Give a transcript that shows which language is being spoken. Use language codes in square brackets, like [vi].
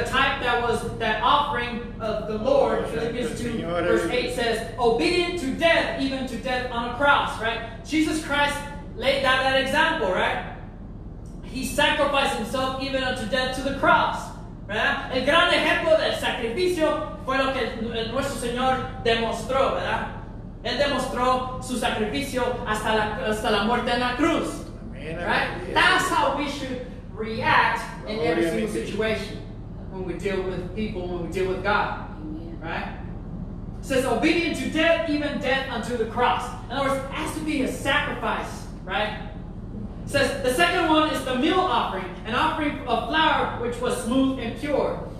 [en] The type that was that offering of the Lord, Philippians 2, verse 8 says, obedient to death, even to death on a cross, right? Jesus Christ laid down that example, right? He sacrificed himself even unto death to the cross. [es] ¿Verdad? El gran ejemplo del sacrificio fue lo que nuestro Señor demostró, ¿verdad? Él demostró su sacrificio hasta la muerte en la cruz. [en] Amen, right? Amen. That's how we should react in every single situation when we deal with people, when we deal with God. Amen. Right? It says, obedient to death, even death unto the cross. In other words, it has to be a sacrifice, right? It says, the second one is the meal offering, an offering of flour which was smooth and pure.